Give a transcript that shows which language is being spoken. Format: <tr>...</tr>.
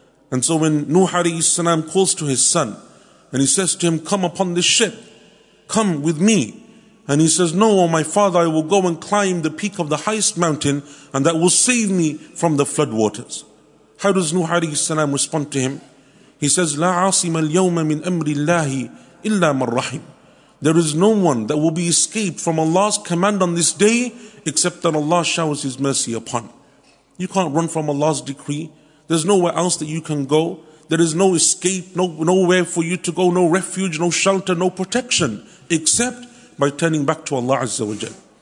<en>And so when Nuh alayhi salam calls to his son, and he says to him, come upon this ship, come with me. And he says, no, O my father, I will go and climb the peak of the highest mountain, and that will save me from the flood waters. How does Nuh alayhi salam respond to him?</en> <ar>He says, لا عاصم اليوم من أمر الله إلا من رحم.</ar> <en>There is no one that will be escaped from Allah's command on this day, except that Allah showers His mercy upon. You can't run from Allah's decree. There's nowhere else that you can go. There is no escape, nowhere for you to go, no refuge, no shelter, no protection, except by turning back to Allah Azza wa Jal.</en>